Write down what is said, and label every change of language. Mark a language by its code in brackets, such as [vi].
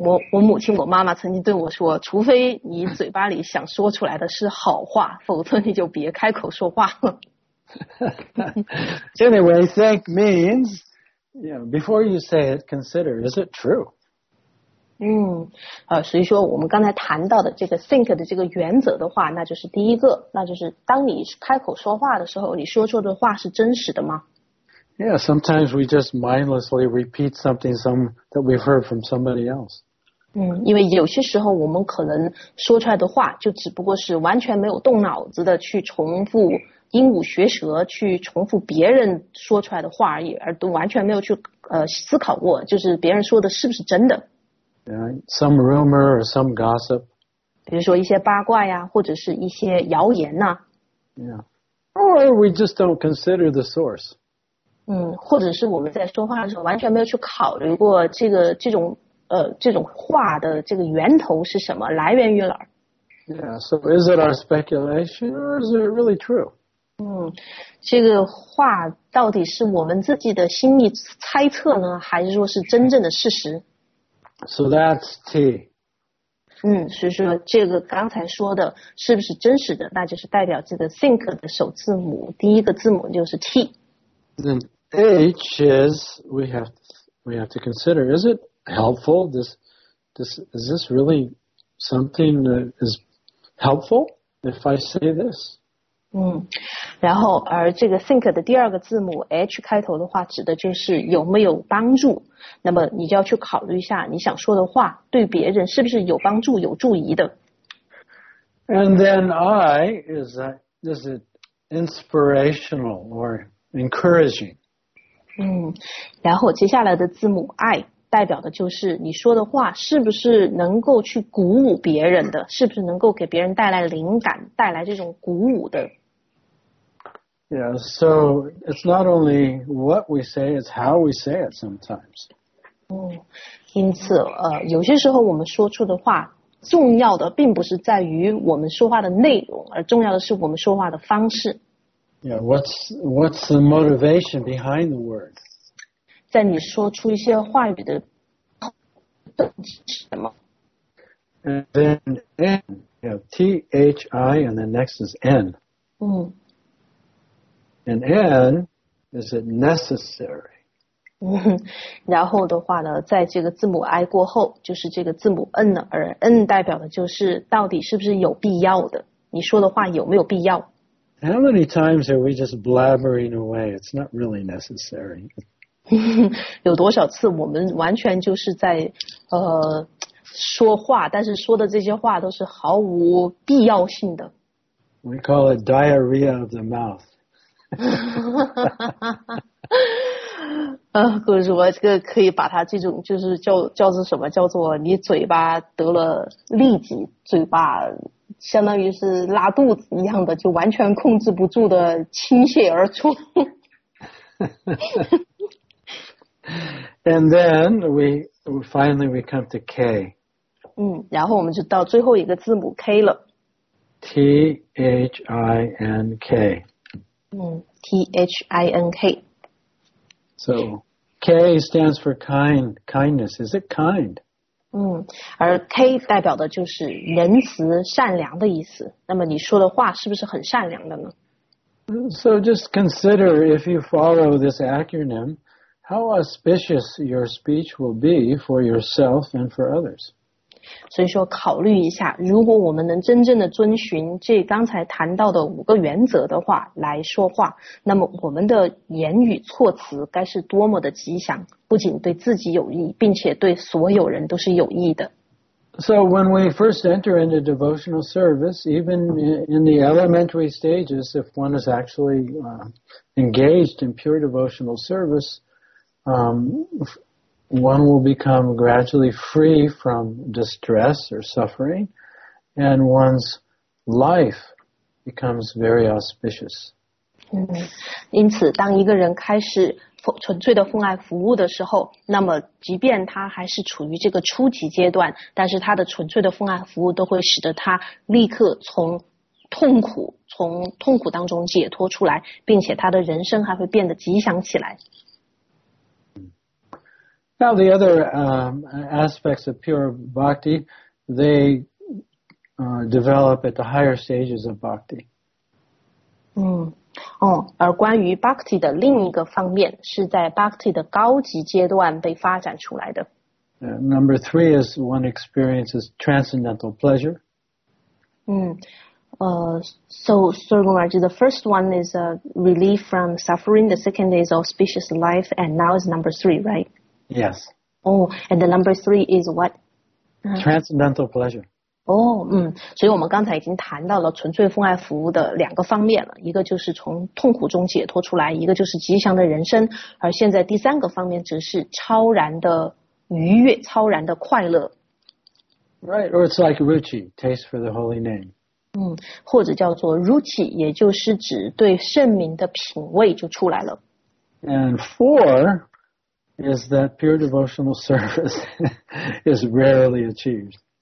[zh] 我母亲我妈妈曾经对我说，除非你嘴巴里想说出来的是好话，否则你就别开口说话。 [en] Anyway, think means, you know, before you say it, consider, is it true? [zh] 所以说我们刚才谈到的这个 think 的这个原则的话，那就是第一个，那就是当你开口说话的时候，你说出的话是真实的吗？ [en] Yeah, sometimes we just mindlessly repeat something that we've heard from somebody else. [zh] 因为有些时候我们可能说出来的话就只不过是完全没有动脑子的去重复鹦鹉学舌，去重复别人说出来的话而已，而都完全没有去思考过，就是别人说的是不是真的。 [en] Yeah, some rumor or some gossip. [zh] 比如说一些八卦呀，或者是一些谣言呐。 [en] Yeah. Or we just don't consider the source. [zh] 或者是我们在说话的时候完全没有去考虑过这种话的这个源头是什么，来源于哪儿。 [en] Yeah, so is it our speculation or is it really true? [zh] 这个话到底是我们自己的心理猜测呢，还是说是真正的事实？ [en] So that's T. [zh] 所以说这个刚才说的是不是真实的，那就是代表这个 think 的首字母，第一个字母就是 T。 [en] Then H is we have to consider, is it helpful? Is this really something that is helpful if I say this? [zh] 然后而这个 think 的第二个字母 H 开头的话指的就是有没有帮助，那么你就要去考虑一下你想说的话对别人是不是有帮助有助益的。 [en] And then I is it inspirational or encouraging. [zh] 然后接下来的字母 I 代表的就是你说的话是不是能够去鼓舞别人的，是不是能够给别人带来灵感，带来这种鼓舞的。 [en] Yeah, so it's not only what we say, it's how we say it sometimes. [zh] 因此有些时候我们说出的话重要的并不是在于我们说话的内容，而重要的是我们说话的方式。 [en] Yeah, what's the motivation behind the words? [zh] 在你说出一些话语的动机是什么？ [en] And then N, you have T-H-I and then next is N. And N, is it necessary? [zh] 然后的话呢，在这个字母 I 过后，就是这个字母 N 了，而 N 代表的就是到底是不是有必要的，你说的话有没有必要。 [en] How many times are we just blabbering away? It's not really necessary. [zh] 有多少次我们完全就是在说话，但是说的这些话都是毫无必要性的。 [en] We call it diarrhea of the mouth. [zh] 可是我这个可以把它这种就是叫做什么，叫做你嘴巴得了痢疾，嘴巴相当于是拉肚子一样的，就完全控制不住的倾泻而出。 [en] And then we finally come to K. [zh] 然后我们就到最后一个字母 K 了。 [en] T-H-I-N-K. T-H-I-N-K. So K stands for kind, kindness. Is it kind? [zh] 而 K 代表的就是仁慈善良的意思，那么你说的话是不是很善良的呢？ [en] So just consider if you follow this acronym, how auspicious your speech will be for yourself and for others. [zh] 所以说考虑一下，如果我们能真正的遵循这刚才谈到的五个原则的话来说话，那么我们的言语措辞该是多么的吉祥，不仅对自己有益，并且对所有人都是有益的。 [en] So when we first enter into devotional service, even in the elementary stages, if one is actually engaged in pure devotional service, One will become gradually free from distress or suffering, and one's life becomes very auspicious. [zh] 因此当一个人开始纯粹的奉爱服务的时候，那么即便他还是处于这个初级阶段，但是他的纯粹的奉爱服务都会使得他立刻从痛苦当中解脱出来，并且他的人生还会变得吉祥起来。 [en] Now the other aspects of pure bhakti, they develop at the higher stages of bhakti. [zh] 而关于 bhakti 的另一个方面是在 bhakti 的高级阶段被发展出来的。 [en] Number three is one experiences transcendental pleasure. So Guruji, the first one is a relief from suffering, the second is auspicious life, and now is number three, right? Yes. And the number three is what? Transcendental pleasure. [zh] 所以我们刚才已经谈到了纯粹奉爱服务的两个方面了，一个就是从痛苦中解脱出来，一个就是吉祥的人生，而现在第三个方面则是超然的愉悦，超然的快乐。 [en] Right, or it's like ruchi, taste for the holy name. [zh] 或者叫做 ruchi, 也就是指对圣名的品味就出来了。 [en] And four is that pure devotional service is rarely achieved.